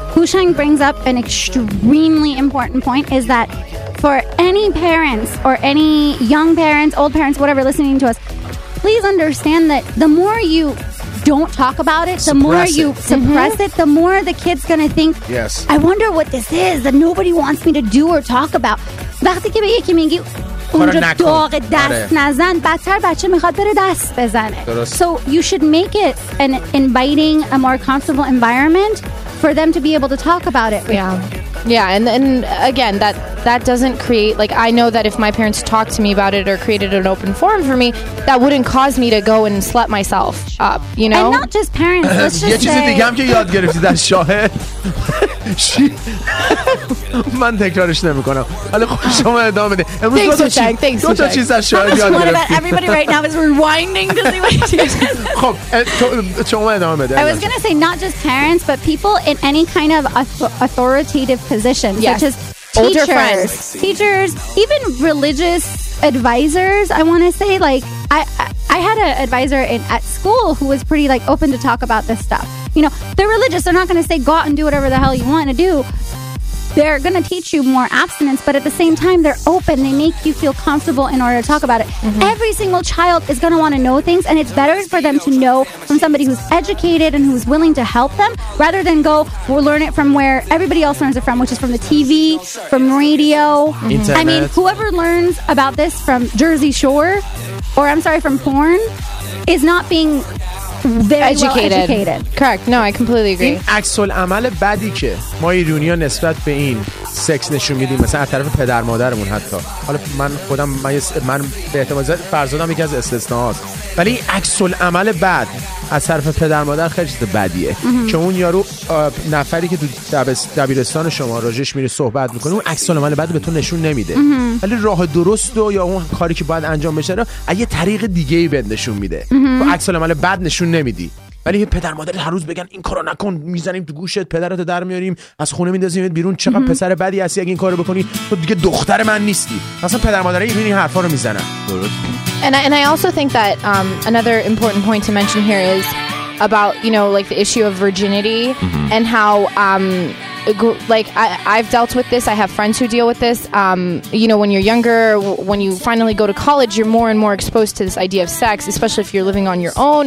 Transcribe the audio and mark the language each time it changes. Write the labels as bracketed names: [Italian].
[English] Hushang brings up an extremely important point is that for any parents or any young parents, old parents, whatever, listening to us, please understand that the more you don't talk about it, suppress the more it. You suppress it, the more the kid's going to think, yes. I wonder what this is that nobody wants me to do or talk about. [Persian] وقتی که به یکی میگی اونجا داغ دست نزن، بدتر بچه میخواد بره دست بزنه. [English] So you should make it an inviting, a more comfortable environment for them to be able to talk about it. Yeah. Yeah, and again, that doesn't create, like, I know that if my parents talked to me about it or created an open forum for me, that wouldn't cause me to go and slut myself up, you know? And not just parents, let's just say... [Persian] یه چیزی دیگه هم که یاد گرفتی در شاهد. من تکرارش نمی کنم. حالا خوش شما ادامه ده. [English] Thanks, Sushang. Thanks, [Persian] Sushang. دو تا چیز از شاهد یاد گرفتی. [English] How much fun about everybody right now is rewinding to see what you did. [Persian] خب, شما ادامه ده. [English] I was going to say not just parents, but people in any kind of authoritative position, such as... older friends, teachers, even religious advisors. I want to say, like, I had an advisor at school who was pretty, like, open to talk about this stuff. You know, they're religious. They're not going to say, go out and do whatever the hell you want to do. They're going to teach you more abstinence, but at the same time, they're open. They make you feel comfortable in order to talk about it. Mm-hmm. Every single child is going to want to know things, and it's better for them to know from somebody who's educated and who's willing to help them rather than go learn it from where everybody else learns it from, which is from the TV, from radio. Mm-hmm. I mean, whoever learns about this from Jersey Shore, or I'm sorry, from porn, is not being... very educated. Well educated. Correct. No, I completely agree. [Persian] این عکس العمل بدی که ما ایرونیا نسبت به این سکس نشون میدیم مثلا از طرف پدر مادرمون حتی. حالا من خودم من به احتمال زیاد فرزندم یکی از استثناهاست. ولی عکس العمل بد از طرف پدر مادر خیلی چیز بدیه. Mm-hmm. که اون یارو نفری که تو دبیرستان شما راجش میره صحبت میکنه اون عکس العمل بد به تو نشون نمیده. Mm-hmm. ولی راه درست و یا اون کاری که باید انجام بشه رو از یه طریق دیگه‌ای به نشون میده. Mm-hmm. و عکس العمل بد نشون نمیدی. ولی پدر مادر هر روز بگن این کارو نکن، میزنیم تو گوشت، پدرت در میاریم، از خونه میندازیم بیرون، چقدر mm-hmm. پسر بدی هستی اگه این کارو بکنی، تو دیگه دختر من نیستی. اصلا پدر مادر این حرفا رو میزنن. درست. [English] And I also think that another important point to mention here is about, you know, like the issue of virginity mm-hmm. and how I've dealt with this. I have friends who deal with this. You know, when you're younger, when you finally go to college, you're more and more exposed to this idea of sex, especially if you're living on your own.